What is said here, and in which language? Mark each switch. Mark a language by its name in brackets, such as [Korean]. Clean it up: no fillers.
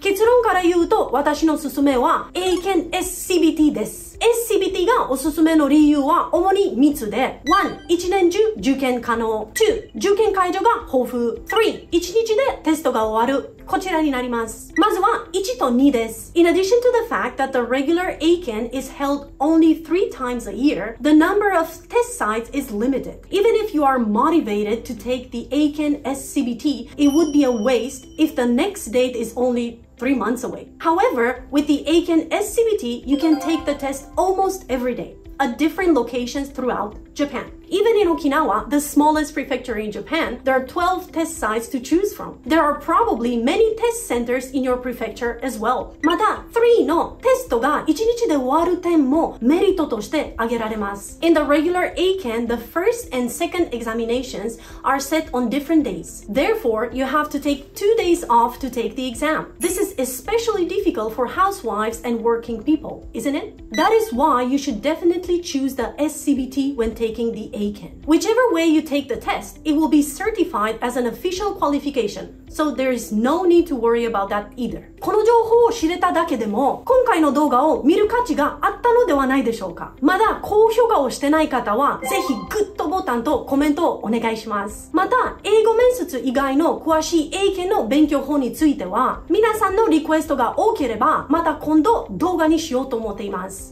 [Japanese] 結論から言うと、私の勧めは英検 SCBT です。 SCBT がおすすめの理由は主に3つで、 1. 1年中受験可能、 2. 受験会場が豊富、 3. 1日でテストが終わる、こちらになります。まずは1と2です。 [English] In addition to the fact that the regular AKEN is held only 3 times a year, the number of test sites is limited. Even if you are motivated to take the AKEN SCBT, it would be a waste if the next date is only 3 months away. However, with the AKEN SCBT, you can take the test almost every day at different locations throughout Japan. Even in Okinawa, the smallest prefecture in Japan, there are 12 test sites to choose from. There are probably many test centers in your prefecture as well. [Japanese] また、3のテストが1日で終わる点もメリットとして挙げられます。 [English] In the regular AKEN, the first and second examinations are set on different days. Therefore, you have to take 2 days off to take the exam. This is especially difficult for housewives and working people, isn't it? That is why you should definitely choose the SCBT when taking theAKEN. Whichever way you take the test, it will be certified as an official qualification, so there is no need to worry about that either. [Japanese] この情報を知れただけでも、今回の動画を見る価値があったのではないでしょうか。まだ高評価をしてない方は、ぜひグッドボタンとコメントをお願いします。また、英語面接以外の詳しい AKEN の勉強法については、皆さんのリクエストが多ければ、また今度動画にしようと思っています。